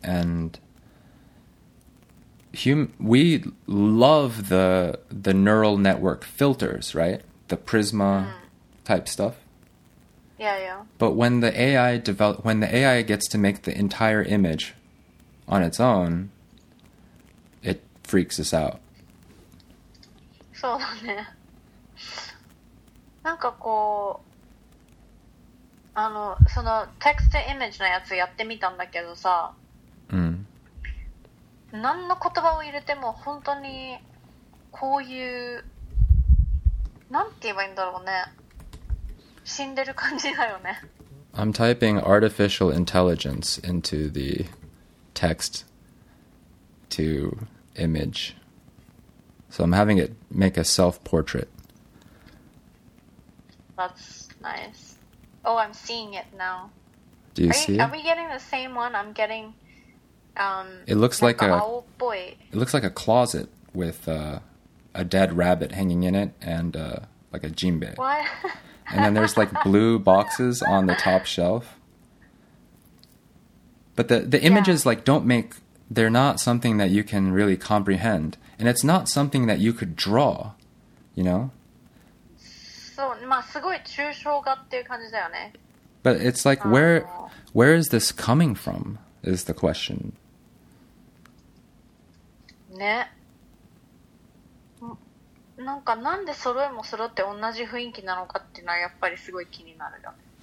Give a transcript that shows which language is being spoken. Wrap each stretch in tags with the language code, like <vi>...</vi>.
<en>And we love the neural network filters, right? The Prisma type stuff. Yeah, yeah. But when the AI gets to make the entire image on its own, it freaks us out. So, yeah.</en> <ja>なんかこう、そのテクストイメージのやつやってみたんだけどさ、何の言葉を入れても本当にこういう、なんて言えばいいんだろうね、死んでる感じだよね。</ja> <en>I'm typing artificial intelligence into the text to image. So I'm having it make a self-portrait. That's nice. Oh, I'm seeing it now. Do you see it? Are we getting the same one? I'm getting... It looks like a... Boy. It looks like a closet with a dead rabbit hanging in it and like a jinbei. What? And then there's like blue boxes on the top shelf. But the images, yeah, like don't make, they're not something that you can really comprehend. And it's not something that you could draw, you know?</en> <ja>So, まあすごい抽象画っていう感じだよね。</ja> <en>But it's like, where is this coming from, is the question.</en> <ja>ね。なんかなんで揃えも揃って同じ雰囲気なのかっていうのはやっぱりすごい気になるよね。</ja>